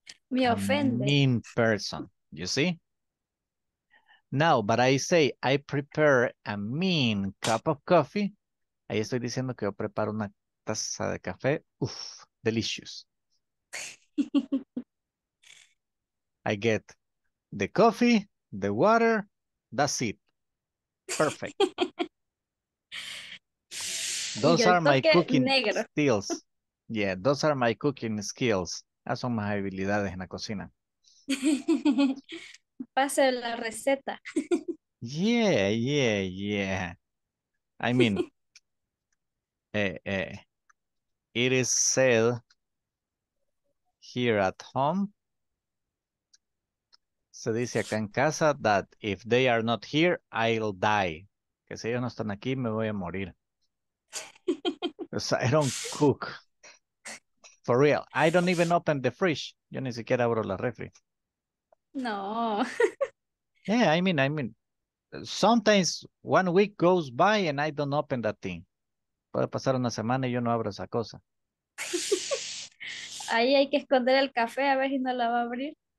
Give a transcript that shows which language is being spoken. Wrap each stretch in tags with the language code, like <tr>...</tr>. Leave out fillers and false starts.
<es>Me ofende.</es> <en>Mean person, you see? Now, but I say, I prepare a mean cup of coffee.</en> <es>Ahí estoy diciendo que yo preparo una taza de café.</es> <en>Uf, delicious. I get the coffee, the water, that's it. Perfect. Those are my cooking negro. Skills. Yeah, those are my cooking skills.</en> <es>Esas son mis habilidades en la cocina. Pase la receta.</es> <en>Yeah. I mean, it is said here at home.</en> <es>Se dice acá en casa</es> <en>that if they are not here, I'll die.</en> <es>Que si ellos no están aquí, me voy a morir.</es> <en>I don't cook. For real. I don't even open the fridge.</en> <es>Yo ni siquiera abro la refri.</es> <en>No. Yeah, I mean, sometimes 1 week goes by and I don't open that thing.</en> <es>Puede pasar una semana y yo no abro esa cosa. Ahí hay que esconder el café a ver si no la va a abrir.</es>